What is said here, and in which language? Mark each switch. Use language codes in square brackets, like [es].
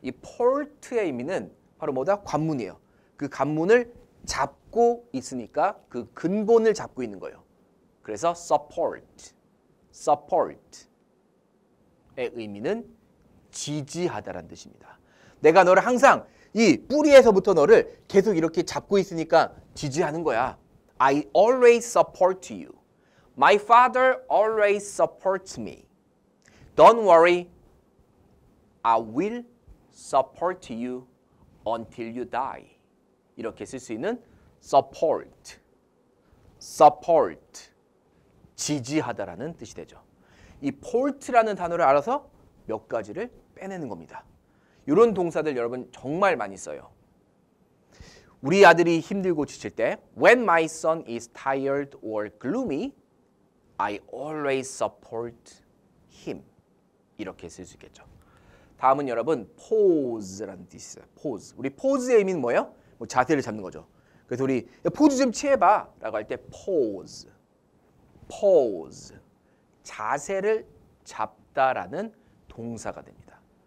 [ko] 이 port의 의미는 바로 뭐다? 관문이에요. 그 관문을 잡고 있으니까 그 근본을 잡고 있는 거예요. 그래서 support. support의 의미는 지지하다라는 뜻입니다. 내가 너를 항상 이 뿌리에서부터 너를 계속 이렇게 잡고 있으니까 지지하는 거야. [en] I always support you. My father always supports me. Don't worry. I will support you until you die. [ko] 이렇게 쓸 수 있는 support. [en] support. [ko] 지지하다라는 뜻이 되죠. 이 port라는 단어를 알아서 몇 가지를 빼내는 겁니다. 이런 동사들 여러분 정말 많이 써요. 우리 아들이 힘들고 지칠 때 [en] When my son is tired or gloomy, I always support him. [ko] 이렇게 쓸 수 있겠죠. 다음은 여러분 pose라는 뜻이 있어요. [en] pose. [ko] 우리 pose의 의미는 뭐예요? 뭐 자세를 잡는 거죠. 그래서 우리 pose 좀 취해봐 라고 할 때 pose. [en] pose. [ko] 자세를 잡다라는 동사가 됩니다.